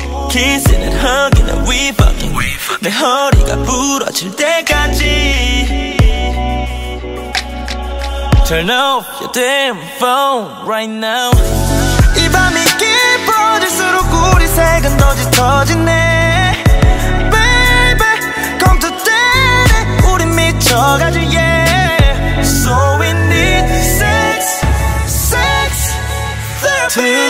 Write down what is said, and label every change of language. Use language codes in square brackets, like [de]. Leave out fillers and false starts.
[en] Kissing and hugging and we fucking. [ko] 내 허리가 부러질 때까지. [en] Turn off your damn phone right now. [ko] 이 밤이 깊어질수록 우리 색은 더 짙어지네. [en] Baby, come to daddy. [ko] 우리 미쳐가지, yeah. [en] So we need sex, sex therapy.